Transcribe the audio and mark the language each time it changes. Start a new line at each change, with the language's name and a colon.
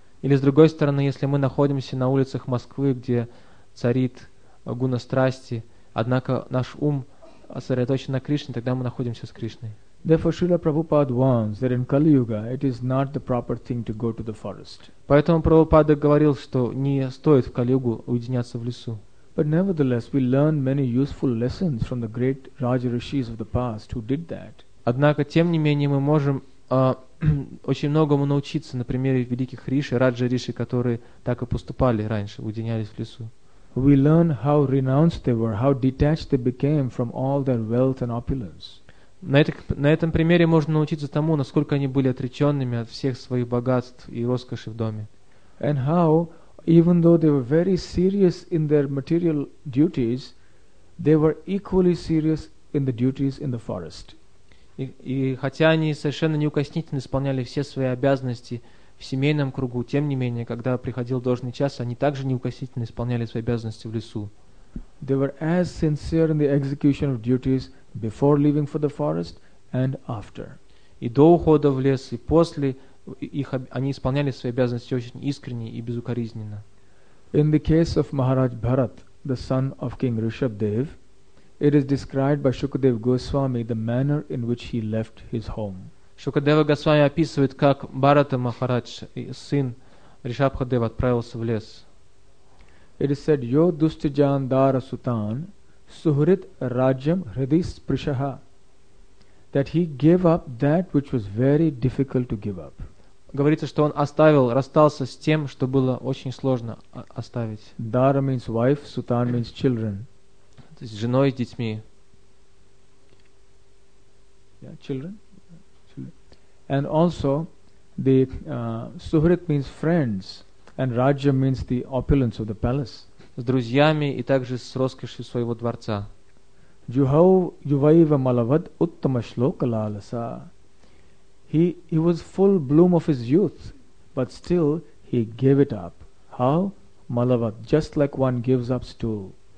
Russian: Или с другой стороны, если мы находимся на улицах Москвы, где царит гуна страсти, однако наш ум сосредоточен на Кришне, тогда мы находимся с Кришной.
English: Therefore, Srila Prabhupada warns that in Kali Yuga it is not the proper thing to go to the forest.
Russian: Поэтому Прабхупада говорил, что не стоит в Кали Югу уединяться в лесу.
English: But nevertheless, we learn many useful lessons from the great Raja Rishis of the past who did that.
Russian: Однако тем не менее мы можем очень многому научиться на примере великих риши, раджа риши, которые так и поступали раньше, уединялись в лесу.
English: We learn how renounced they were, how detached they became from all their wealth and opulence.
Russian: На этом примере можно научиться тому, насколько они были отреченными от всех своих богатств и роскоши в доме.
English: And how, even though they were very serious in their material duties, they were equally serious in the duties in the forest.
Russian: И хотя они совершенно неукоснительно исполняли все свои обязанности в семейном кругу, тем не менее, когда приходил должный час, они также неукоснительно исполняли свои обязанности в лесу.
English: They were as sincere in the execution of duties before leaving for the forest and after.
Russian: И до ухода в лес, и после их, они исполняли свои обязанности очень искренне и безукоризненно.
English: In the case of Maharaj Bharat, the son of King Rishabhdev, it is described by Shukadeva Goswami the manner in which he left his home.
Russian: Shukadeva Goswami описывает, как Bharata Maharaj, сын Ришабхадева, отправился в лес.
English: It is said,
Sanskrit: Yo Dustijan Dara Sutan Suhrit Rajam Hridis Prishaha,
English: that he gave up that which was very difficult to give up.
Russian: Говорится, что он оставил, расстался с тем, что было очень сложно оставить.
English: Dara means wife, Sutan means children.
Russian: То есть женой с детьми.
English: Yeah, children. And also, the Suhrit means friends. And Raja means the opulence of the palace.
Russian: С друзьями и также с роскошью своего дворца.
Sanskrit: Juhau Yuvaiva Malavad Uttama Shloka Lalasa.
English: He was full bloom of his youth, but still he gave it up. How? Malavad, just like one gives up stool.